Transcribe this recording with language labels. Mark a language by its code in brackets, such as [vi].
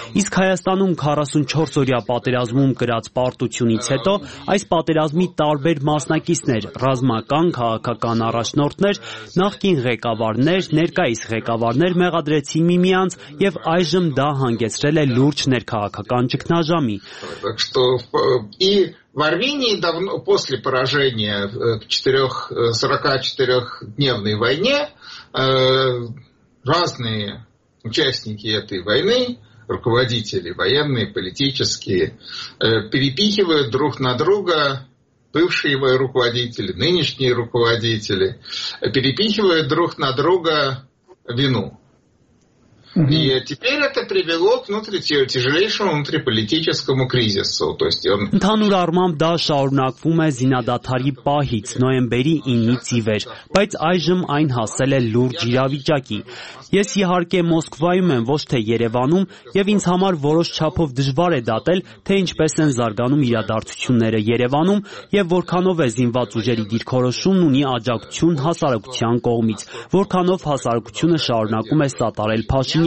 [hy] Իսկ Հայաստանում 44 օրյա պատերազմում կրած պարտությունից հետո այս պատերազմի տարբեր մասնակիցներ, ռազմական, քաղաքական առաջնորդներ, նախկին ղեկավարներ, ներկայիս ղեկավարներ մեղադրեցին միմյանց եւ այժմ դա հանգեցրել է լուրջ ներքաղաքական ճգնաժամի։ [ru] В Армении давно после поражения в 44-дневной войне разные участники этой войны, руководители военные, политические, перепихивают друг на друга бывшие руководители, нынешние руководители, перепихивают друг на друга вину. И теперь это привело к тяжелейшему внутриполитическому кризису. То есть он [hy] Ընդհանուր առմամբ դա շարունակվում է զինադադարի պահից, նոյեմբերի 9-ից ի վեր, բայց այժմ այն հասել է լուրջ իրավիճակի։ Ես իհարկե Մոսկվայում եմ, ոչ թե Երևանում, եւ ինձ համար որոշ չափով դժվար է դատել, թե ինչպես են զարգանում իրադարձությունները Երևանում եւ որքանով է զինված ուժերի դիրքորոշումն ունի աջակցություն հասարակության կողմից, որքանով հասարակությունը շարունակում է սատարել Փաշինյանին։